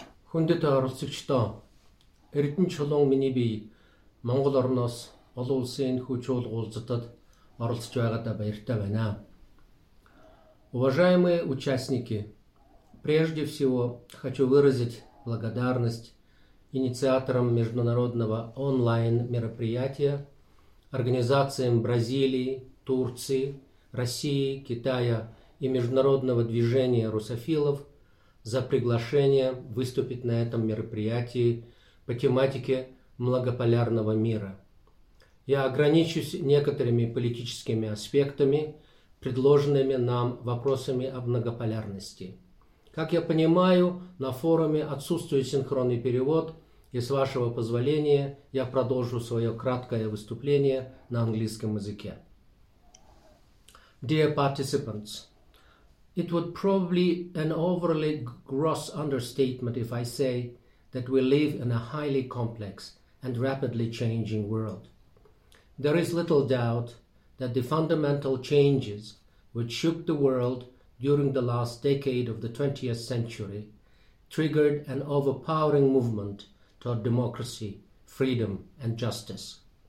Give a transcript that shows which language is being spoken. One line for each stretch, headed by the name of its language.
Mongolian: Хүндэтгэл оролцогчдоо, Эрдэнэ чулуун миний бие Монгол орноос олон улсын энэ хүч уулзалтад оролцож байгаадаа баяртай байна.
Russian: Уважаемые участники, прежде всего хочу выразить благодарность инициаторам международного онлайн-мероприятия, организациям Бразилии, Турции, России, Китая и международного движения русофилов за приглашение выступить на этом мероприятии по тематике многополярного мира. Я ограничусь некоторыми политическими аспектами, предложенными нам вопросами о многополярности. Как я понимаю, на форуме отсутствует синхронный перевод, и с вашего позволения я продолжу свое краткое выступление на английском языке.
English: Dear participants, it would probably be an overly gross understatement if I say that we live in a highly complex and rapidly changing world. There is little doubt that the fundamental changes which shook the world during the last decade of the 20th century triggered an overpowering movement toward democracy, freedom, and justice.